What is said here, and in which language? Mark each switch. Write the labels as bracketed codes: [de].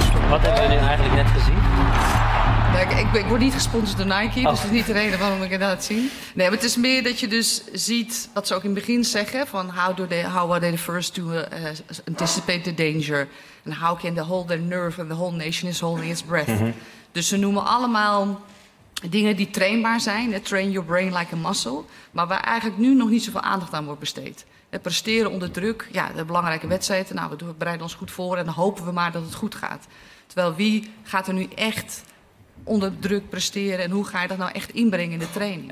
[nl] Wat hebben jullie eigenlijk net gezien? Ik word niet gesponsord door Nike, dus dat is niet de reden waarom ik het laat zien. Nee, maar het is meer dat je dus ziet wat ze ook in het begin zeggen. Van [en] how are they the first to anticipate the danger? And how can they hold their nerve when the whole nation is holding its breath? Mm-hmm. [nl] Dus ze noemen allemaal dingen die trainbaar zijn. [en] Train your brain like a muscle. [nl] Maar waar eigenlijk nu nog niet zoveel aandacht aan wordt besteed. Het presteren onder druk, de belangrijke wedstrijden. We bereiden ons goed voor en dan hopen we maar dat het goed gaat. Terwijl wie gaat er nu echt onder druk presteren en hoe ga je dat nou echt inbrengen in de training?